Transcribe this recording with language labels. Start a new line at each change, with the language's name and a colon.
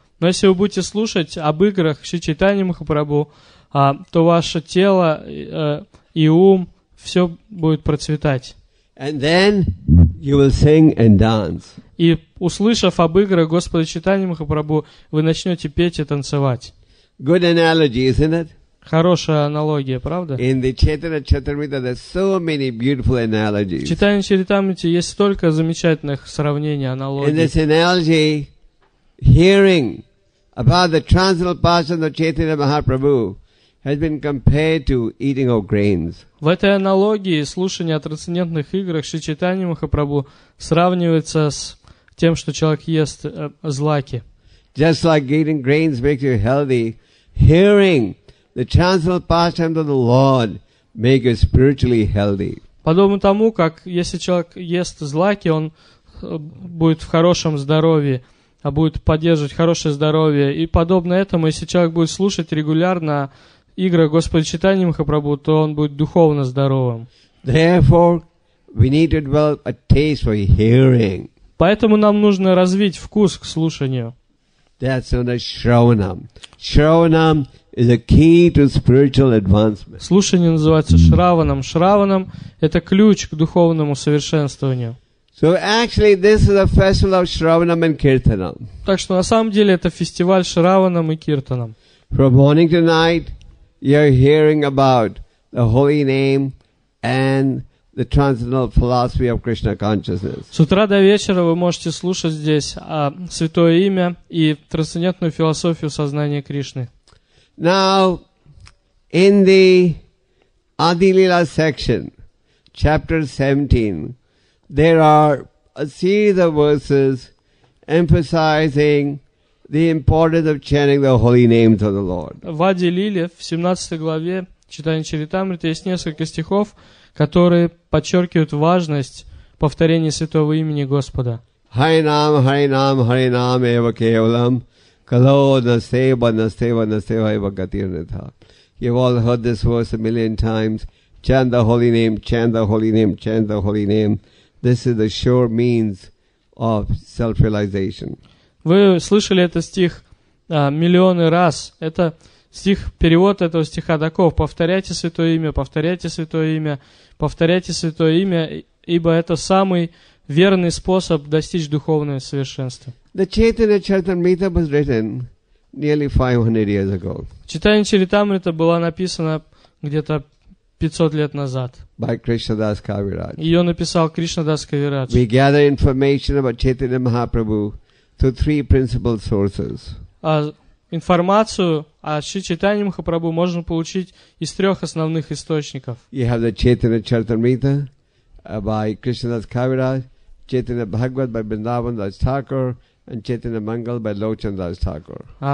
Russian: Но если вы будете слушать об играх Шри Чайтаньи Махапрабху, то ваше тело и ум все будет процветать.
English: And then you will sing and dance.
Russian: И услышав об играх Господа Чайтаньи Махапрабху, вы начнете петь и танцевать.
English: Good analogy, isn't it?
Russian: Хорошая аналогия, правда?
English: In the Chaitanya Charitamrita there's so many beautiful analogies.
Russian: В Чайтанья Чаритамрите есть столько замечательных сравнений, аналогий.
English: In this analogy, hearing about the transcendental passion of Chaitanya Mahaprabhu has been compared to eating of grains.
Russian: В этой аналогии слушание о трансцендентных играх Шри Чайтаньи Махапрабху сравнивается с тем, что человек ест злаки.
English: Just like eating grains makes you healthy, hearing the transcendental pastimes of the Lord makes you spiritually healthy.
Russian: Подобно тому, как если человек ест злаки, он будет в хорошем здоровье, а будет поддерживать хорошее здоровье. И подобно этому, если человек будет слушать регулярно игра Господа Чайтаньи Махапрабху, то он будет духовно здоровым.
English: Therefore, we need to develop a taste for hearing.
Russian: Поэтому нам нужно развить вкус к слушанию.
English: That's known as shravanam. Shravanam is a key to spiritual advancement.
Russian: Слушание называется шраванам. Шраванам – это ключ к духовному совершенствованию.
English: So actually, this is a festival of shravanam and kirtanam.
Russian: Так что на самом деле это фестиваль шраванам и киртанам.
English: From morning to night, you're hearing about the holy name and the transcendental philosophy of Krishna consciousness.
Russian: С утра до вечера вы можете слушать здесь святое имя и трансцендентную философию сознания Кришны.
English: Now, in the Adi Lila section, chapter 17, there are a series of verses emphasizing the importance of chanting the holy names of the Lord.
Russian: В Ади-лиле, в 17 главе Чайтанья Чаритамрита, есть несколько стихов, которые подчеркивают важность повторения святого имени Господа.
Sanskrit: Харинам, харинам, харинам, эва кевалам, кало, настева, настева, настева, эва гатирнитха.
English: You've all heard this verse a million times. Chant the holy name, chant the holy name, chant the holy name. This is the sure means of self-realization.
Russian: Вы слышали этот стих миллионы раз. Это стих, перевод этого стиха таков. Повторяйте святое имя, повторяйте святое имя, повторяйте святое имя, ибо это самый верный способ достичь духовного совершенства.
English: The Chaitanya Charitamrita was written nearly 500 years ago.
Russian: Читание Чаритамрита было написано где-то 500 лет назад.
English: By Krishnadas Kaviraj.
Russian: Ее написал Кришнадас Кавирадж.
English: We gather information about Chaitanya Mahaprabhu through three principal sources.
Russian: Информацию о Шри Чайтанье Махапрабху можно получить из трех основных источников.
English: You have the Chaitanya Charitamrita by Krishnadas Kaviraj, Chaitanya Bhagavat by Vrindavan Das Thakur, and Chaitanya Mangal by Lochan Das Thakur.